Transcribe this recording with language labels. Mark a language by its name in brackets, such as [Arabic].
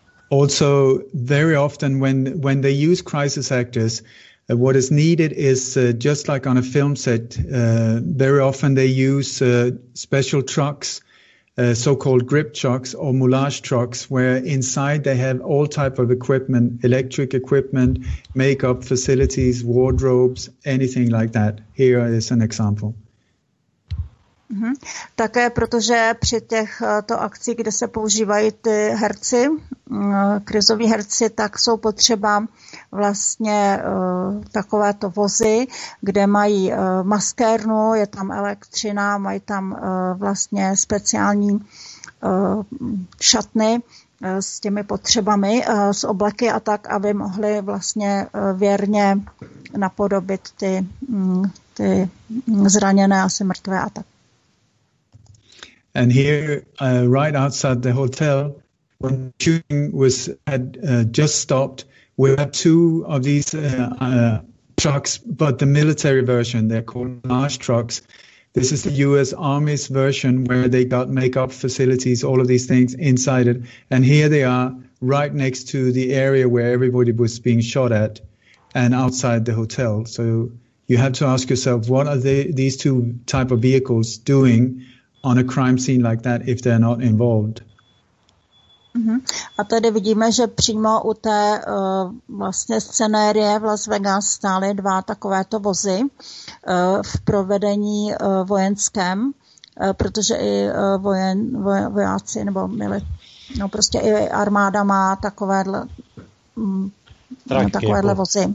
[English] Also, very often when they use crisis actors, what is needed is just like on a film set, very often they use special trucks, so-called grip trucks or moulage trucks, where inside they have all type of equipment, electric equipment, makeup facilities, wardrobes, anything like that. Here is an example. [Czech] Také protože při těchto akcí, kde se používají ty herci, krizoví herci, tak jsou potřeba vlastně takovéto vozy, kde mají maskérnu, je tam elektřina, mají tam vlastně speciální šatny s těmi potřebami, s obleky a tak, aby mohli vlastně věrně napodobit ty zraněné asi mrtvé a tak. [English] And here, right outside the hotel, when shooting was had just stopped, we had two of these trucks, but the military version. They're called Mirage trucks. This is the U.S. Army's version, where they got makeup facilities, all of these things inside it. And here they are, right next to the area where everybody was being shot at, and outside the hotel. So you have to ask yourself, what are these two type of vehicles doing on a crime scene like that if they're not involved? [Czech] A tady vidíme, že přímo u té vlastně scenérie v Las Vegas stály dva takovéto vozy v provedení vojenském, protože i vojáci nebo prostě i armáda má takovéhle vozy.